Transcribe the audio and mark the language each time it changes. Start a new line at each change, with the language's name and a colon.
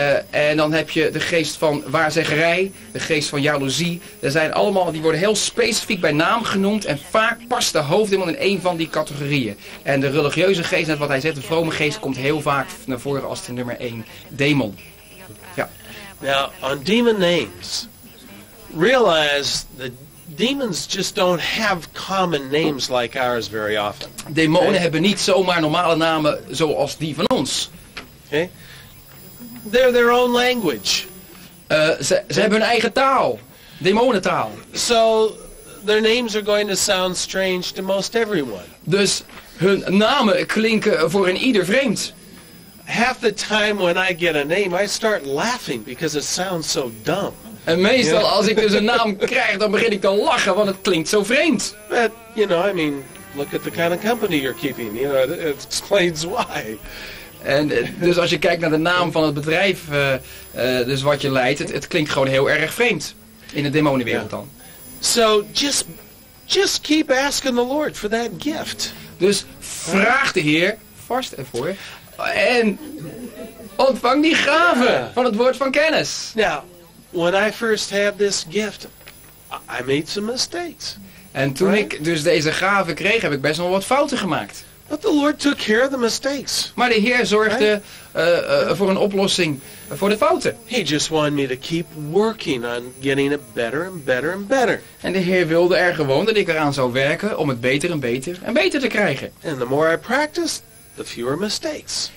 Dutch: En dan heb je de geest van waarzeggerij, de geest van jaloezie. Er zijn allemaal, die worden heel specifiek bij naam genoemd. En vaak past de hoofddemon in een van die categorieën. En de religieuze geest, net wat hij zegt, de vrome geest, komt heel vaak naar voren als de nummer 1 demon. Ja.
English: Now, on demon names, realize that demons just don't have common names like ours very often.
Dutch: Demonen hebben niet zomaar normale namen zoals die van ons.
English: Okay? They're their own language.
Dutch: Ze hebben hun eigen taal. Demonentaal.
English: So their names are going to sound strange to most everyone.
Dutch: Dus hun namen klinken voor een ieder vreemd.
English: Half the time when I get a name, I start laughing because it sounds so dumb.
Dutch: En meestal als ik dus een naam krijg, dan begin ik te lachen, want het klinkt zo vreemd.
English: But, you know, I mean, look at the kind of company you're keeping. You know, it explains why.
Dutch: En dus als je kijkt naar de naam van het bedrijf, dus wat je leidt, het klinkt gewoon heel erg vreemd. In de demonenwereld dan.
English: So, just keep asking the Lord for that gift.
Dutch: Dus vraag de Heer vast ervoor. En ontvang die gave van het woord van kennis.
English: Now, when I first had this gift, I made some mistakes.
Dutch: En toen ik dus deze gave kreeg, heb ik best wel wat fouten gemaakt.
English: But the Lord took care of the mistakes.
Dutch: Maar de Heer zorgde voor een oplossing voor de fouten.
English: He just wanted me to keep working on getting it better and better and better.
Dutch: En de Heer wilde er gewoon dat ik eraan zou werken om het beter en beter en beter te krijgen.
English: And the more I practiced, the fewer mistakes.